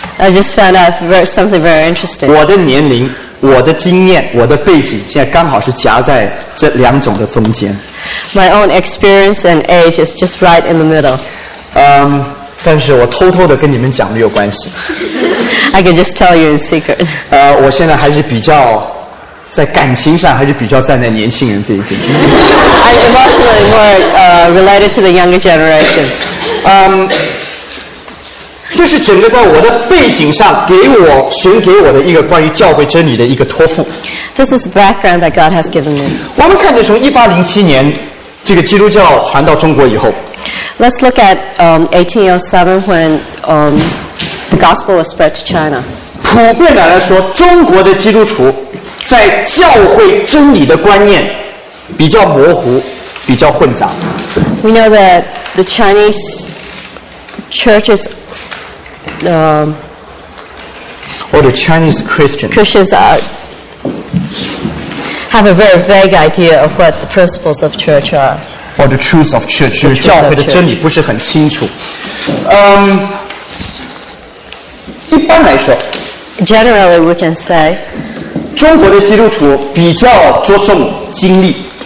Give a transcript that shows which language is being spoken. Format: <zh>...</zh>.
<en>I just found out something very interesting.</en> <zh>我的年龄、我的经验、我的背景，现在刚好是夹在这两种的中间。</zh> <en>My own experience and age is just right in the middle.</en> <zh>但是我偷偷的跟你们讲没有关系。</zh> <en>I can just tell you in secret.</en> <zh>我现在还是比较在感情上还是比较站在年轻人这一边。</zh> <en>I'm emotionally more related to the younger generation.</en> <zh>这是整个在我的背景上给我神给我的一个关于教会真理的一个托付。</zh> <en>This is the background that God has given me.</en> <zh>我们看见从1807年这个基督教传到中国以后。</zh> <en>Let's look at 1807 when the gospel was spread to China.</en> <zh>普遍的来说，中国的基督徒在教会真理的观念比较模糊，比较混杂。</zh> <en>We know that the Chinese churches, or the Chinese Christians, have a very vague idea of what the principles of church are. Or the truth of church,</en> <zh>就是教会的真理不是很清楚。一般来说</zh> <en>，generally we can say.</en> <zh>中国的基督徒比较着重经历。</zh>